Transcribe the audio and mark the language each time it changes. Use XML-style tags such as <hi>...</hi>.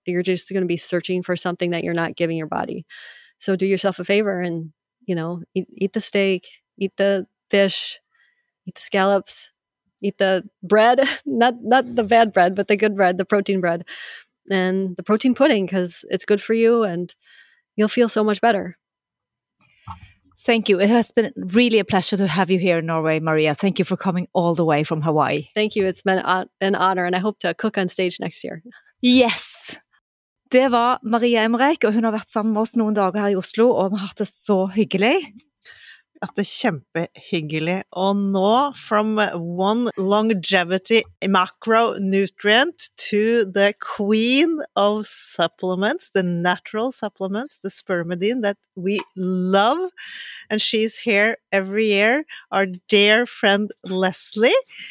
<en>You're just going to be searching for something that you're not giving your body. So do yourself a favor and, you know, eat the steak, eat the fish, eat the scallops, eat the bread, not the bad bread, but the good bread, the protein bread and the protein pudding, because it's good for you and you'll feel so much better. Thank you. It has been really a pleasure to have you here in Norway, Maria. Thank you for coming all the way from Hawaii. Thank you. It's been an honor and I hope to cook on stage next year. Yes.</en> <no>Det var Maria Emmerich, og hun har vært sammen med oss noen dager her i Oslo, og vi har hatt det så hyggelig. At det kjempehyggelig. Og nå,</no> <en>from one longevity macronutrient to the queen of supplements, the natural supplements, the spermidine that we love, and she's here every year, our dear friend Leslie.</en>